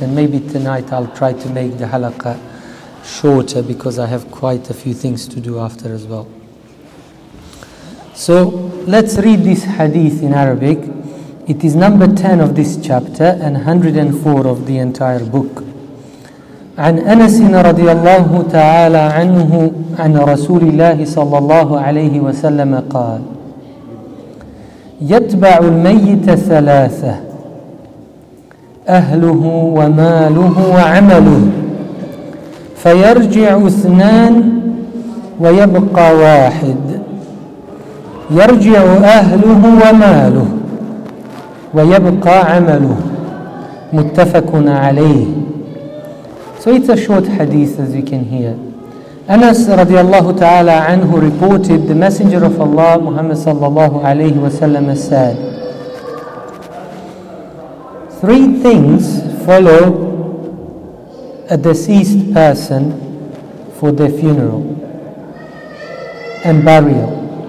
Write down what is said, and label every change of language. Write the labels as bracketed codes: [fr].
[en] And maybe tonight I'll try to make the halaqa shorter because I have quite a few things to do after as well. So let's read this hadith in Arabic. It is number 10 of this chapter and 104 of the entire book. [ar] عن أنس رضي الله تعالى عنه عن رسول الله صلى الله عليه وسلم قال يتبع الميت ثلاثة أهله وماله وعمله فيرجع اثنان ويبقى واحد يرجع أهله وماله ويبقى عمله متفق عليه. [en] So it's a short hadith, as you can hear. Anas radiallahu ta'ala anhu reported, the Messenger of Allah, Muhammad sallallahu alayhi wa sallam, said, three things follow a deceased person for their funeral and burial.